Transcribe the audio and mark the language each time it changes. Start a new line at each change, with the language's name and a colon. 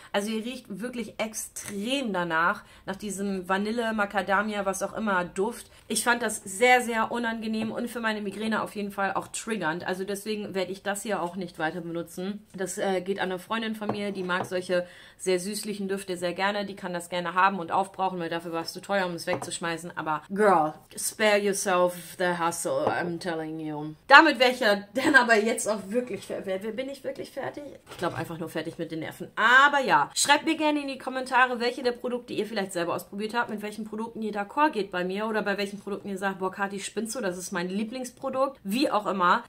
German: Also ihr riecht wirklich extrem danach, nach diesem Vanille, Macadamia, was auch immer, Duft. Ich fand das sehr, sehr unangenehm und für meine Migräne auf jeden Fall auch triggernd. Also deswegen werde ich das hier auch nicht weiter benutzen. Das geht an eine Freundin von mir, die mag solche sehr süßlichen Düfte sehr gerne. Die kann das gerne haben und aufbrauchen, weil dafür war es zu teuer, um es wegzuschmeißen.
English: Aber girl, spare yourself the hustle, I'm telling you.
German: Damit wäre ich ja dann aber jetzt auch wirklich fertig. Bin ich wirklich fertig? Ich glaube einfach nur fertig mit den Nerven. Aber ja, schreibt mir gerne in die Kommentare, welche der Produkte ihr vielleicht selber ausprobiert habt, mit welchen Produkten ihr d'accord geht bei mir oder bei welchen Produkten ihr sagt, boah, Kathi, spinnst du, das ist mein Lieblingsprodukt. Wie auch immer.